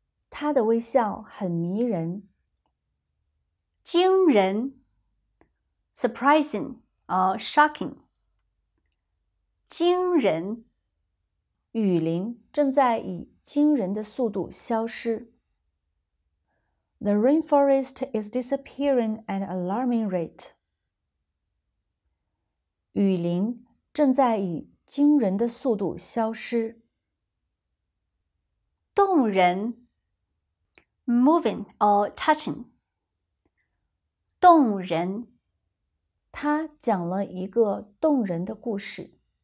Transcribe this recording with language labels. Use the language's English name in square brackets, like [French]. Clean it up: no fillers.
[Chinese] 她的微笑很迷人。 [English] 惊人 ,surprising or shocking. 惊人 [Chinese] 雨林正在以惊人的速度消失。 [English] The rainforest is disappearing at an alarming rate. [Chinese] 雨林正在以惊人的速度消失。 [English] 动人Moving or touching. 动人 [Chinese] 他讲了一个动人的故事。